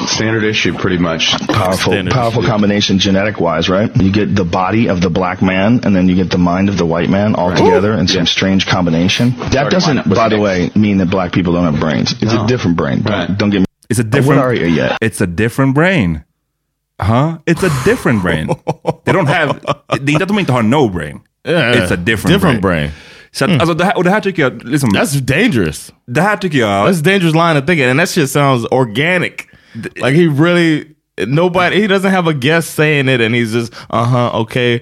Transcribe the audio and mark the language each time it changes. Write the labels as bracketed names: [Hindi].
[English] Standard issue, pretty much. Powerful combination genetic-wise, right? You get the body of the black man, and then you get the mind of the white man all together in some strange combination. That doesn't, by the way, mean that black people don't have brains. It's a different brain. Don't get me... It's a different. What are you yet? It's a different brain, huh? It's a different brain. They don't have. [Swedish] Det är inte att de inte har [English] no brain. Yeah, it's a different brain. [Swedish] Så att, alltså, det här tycker jag, liksom, [English] that's dangerous. [Swedish] Det här tycker jag, [English] that's a dangerous line of thinking, and that shit sounds organic. Like he really, nobody, he doesn't have a guest saying it, and he's just, okay.